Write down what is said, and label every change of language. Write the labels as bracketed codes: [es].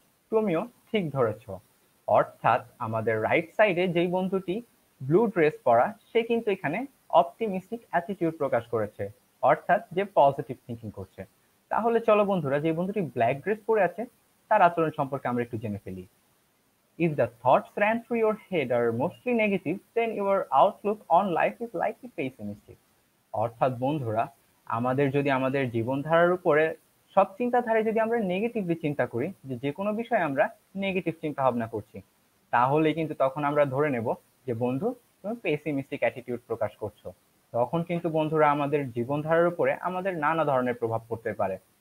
[bn] তুমিও ঠিক ধরেছ। অর্থাৎ আমাদের রাইট সাইডে যেই বন্ধুটি ব্লু ড্রেস পরা, সে কিন্তু এখানে অপটিমিস্টিক অ্যাটিটিউড প্রকাশ করেছে, অর্থাৎ যে পজিটিভ থিঙ্কিং করছে। তাহলে চলো বন্ধুরা, যে বন্ধুটি ব্ল্যাক ড্রেস পরে আছে, তার আচরণ সম্পর্কে আমরা একটু জেনে ফেলি। [en] If the thoughts ran through your head are mostly negative, then your outlook on life is likely pessimistic. [bn] অর্থাৎ বন্ধুরা, আমাদের যদি আমাদের জীবনধারার উপরে সব চিন্তাধারে যদি আমরা নেগেটিভলি চিন্তা করি, যে কোনো বিষয়ে আমরা নেগেটিভ চিন্তা ভাবনা করছি, তাহলে কিন্তু তখন আমরা ধরে নেব যে বন্ধু, তুমি পেসিমিস্টিক অ্যাটিটিউড প্রকাশ করছো। তখন কিন্তু বন্ধুরা, আমাদের জীবনধারার উপরে আমাদের নানা ধরনের প্রভাব পড়তে পারে।